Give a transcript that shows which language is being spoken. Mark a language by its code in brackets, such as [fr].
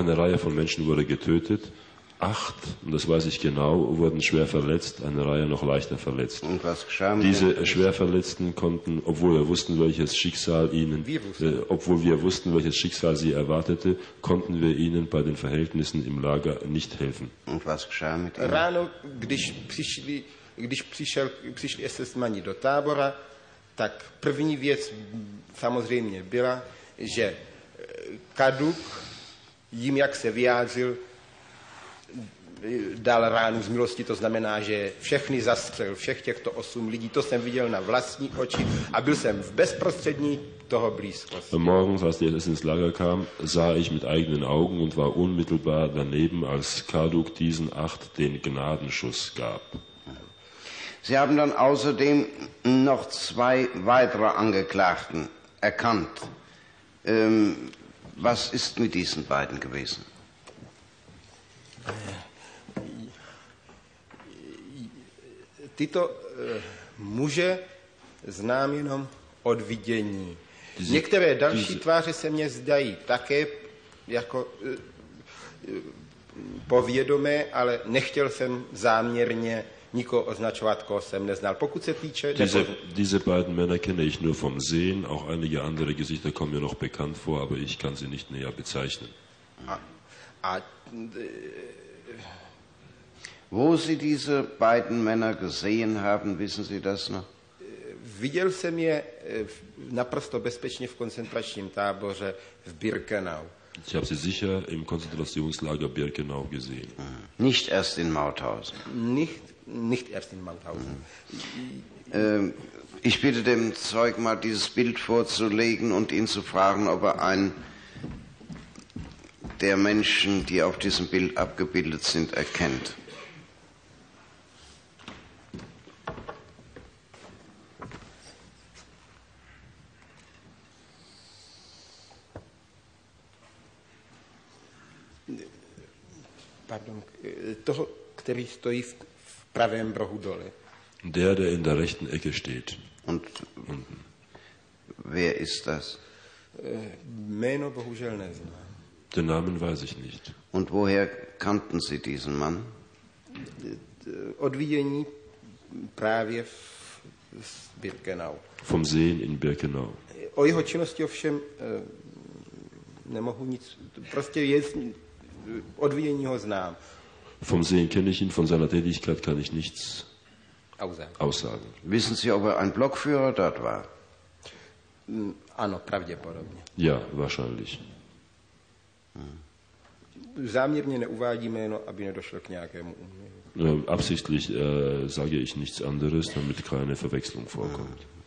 [de] Eine Reihe von Menschen wurde getötet. 8, und das weiß ich genau, wurden schwer verletzt, eine Reihe noch leichter verletzt. Und was geschah mit diese Schwerverletzten konnten, obwohl wir wussten, welches Schicksal ihnen, sie erwartete, konnten wir ihnen bei den Verhältnissen im Lager nicht helfen. Und was geschah mit ihnen? [cs] Rano, když přišli SS-mani do tábora, tak první věc samozřejmě byla, že Kaduk jim, jak se vyjádřil, dal ránu z milosti, to znamená, že všechny zastřel, všech těchto 8 lidí, to jsem viděl na vlastní oči a byl jsem v bezprostřední toho blízkosti. [de] Morgens, als die SS ins Lager kam, sah ich mit eigenen Augen und war unmittelbar daneben, als Kaduk diesen 8 den Gnadenschuss gab. Sie haben dann außerdem noch 2 weitere Angeklagten erkannt. Was ist mit diesen beiden gewesen? [cs] Tyto muže znám jenom od vidění. Některé další tváře se mně zdají také jako povědomé, ale nechtěl jsem záměrně nikoho označovat, koho jsem neznal. Pokud se týče... [de] Diese beiden Männer kenne ich nur vom Sehen, auch einige andere Gesichter kommen mir noch bekannt vor, aber ich kann sie nicht näher bezeichnen. Wo Sie diese beiden Männer gesehen haben, wissen Sie das noch? [cs] Viděl jsem je naprosto bezpečně v koncentračním táboře v Birkenau. [de] Ich habe sie sicher im Konzentrationslager Birkenau gesehen. Nicht erst in Mauthausen. Nicht erst in Mauthausen. Ich bitte dem Zeugen mal dieses Bild vorzulegen und ihn zu fragen, ob er einen der Menschen, die auf diesem Bild abgebildet sind, erkennt. [cs] Pardon, toho, který stojí v pravém rohu dole. [de] Der in der rechten Ecke steht. Und unten. Wer ist das? [cs] Jméno bohužel neznám. [de] Den Namen weiß ich nicht. Und woher kannten Sie diesen Mann? [cs] Od vidění právě v Birkenau. [de] Vom Sehen in Birkenau. [cs] O jeho činnosti ovšem nemohu nic, prostě je... Od vidění ho znám. [de] Vom Sehen kenne ich ihn, von seiner Tätigkeit kann ich nichts aussagen. Wissen Sie, ob er ein Blockführer dort war? [cs] Ano, pravděpodobně. [de] Ja, wahrscheinlich. [cs] Záměrně neuvádíme, no, aby nedošlo k nějakému... [de] Absichtlich sage ich nichts anderes, damit keine Verwechslung vorkommt.